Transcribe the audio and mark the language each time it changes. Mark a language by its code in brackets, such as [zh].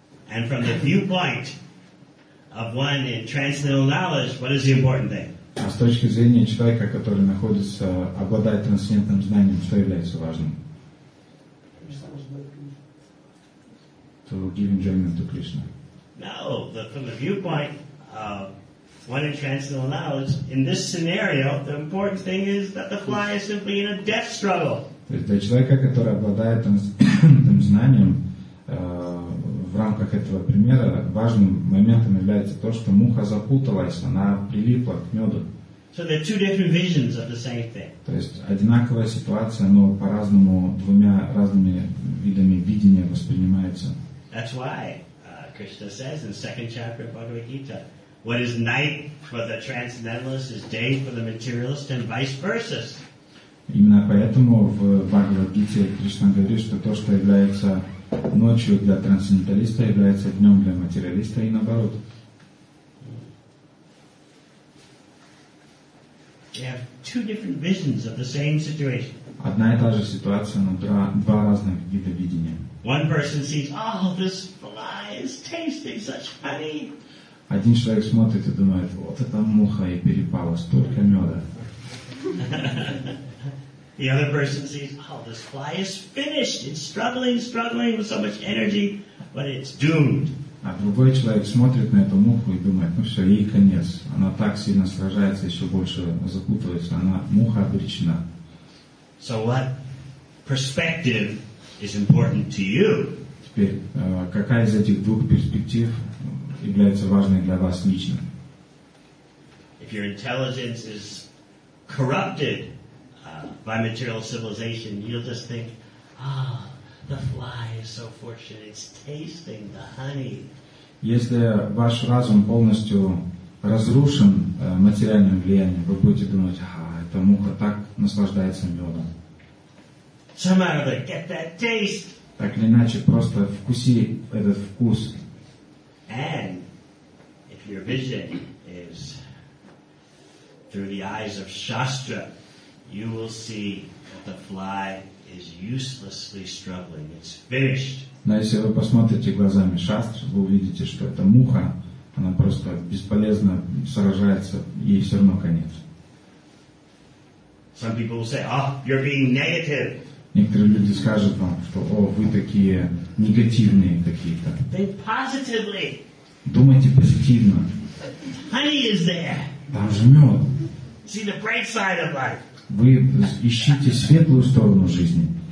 [en] And from the viewpoint of one in transcendental knowledge, what is the important thing? [ru] А с точки зрения человека, который находится, обладает трансцендентным знанием, что является важным? [en] To give enjoyment to Krishna. No, from the viewpoint of one in transcendental knowledge, in this scenario, the important thing is that the fly is simply in a death struggle. [ru] То есть для человека, который обладает трансцендентным знанием, в рамках этого примера важным моментом является то, что муха запуталась, она прилипла к меду. [en] So there are two different visions of the same thing. [ru] То есть одинаковая ситуация, но по-разному, двумя разными видами видения воспринимается. [en] That's why Krishna says in the second chapter of Bhagavad Gita, what is night for the transcendentalist is day for the materialist and vice versa. [ru] Именно поэтому в Бхагавад-гите Кришна говорит, что то, что является ночью для трансценденталиста, является днем для материалиста и наоборот. [en] They have two different visions of the same situation. [ru] Одна и та же ситуация, но два разных вида видения. [en] One person sees, oh, this fly is tasting such honey. [ru] Один человек смотрит и думает, вот это муха и перепала, столько меда. [en] The other person sees, oh, this fly is finished. It's struggling with so much energy, but it's doomed. [ru] А другой человек смотрит на эту муху и думает, ну все, ей конец. Она так сильно сражается, еще больше запутывается. Она муха обречена. [en] So what perspective is important to you? [ru] Теперь, какая из этих двух перспектив является важной для вас лично? [en] If your intelligence is corrupted by material civilization, you'll just think, ah, the fly is so fortunate, it's tasting the honey. [ru] Если ваш разум полностью разрушен материальным влиянием, вы будете думать, а, эта муха так наслаждается медом. [en] Somehow they get that taste. [ru] Так или иначе, просто вкуси этот вкус. [en] And if your vision is through the eyes of Shastra, you will see that the fly is uselessly struggling. It's finished. [ru] Но если вы посмотрите глазами Шастры, вы увидите, что эта муха, она просто бесполезно сражается, ей все равно конец. [en] Some people will say, oh, you're being negative. [ru] Некоторые люди скажут вам, что, о, вы такие негативные какие-то. [en] Think positively. [ru] Думайте позитивно. [en] Honey is there. [ru] Там же мед. [en] See the bright side of life. [ru] Вы ищите светлую сторону жизни.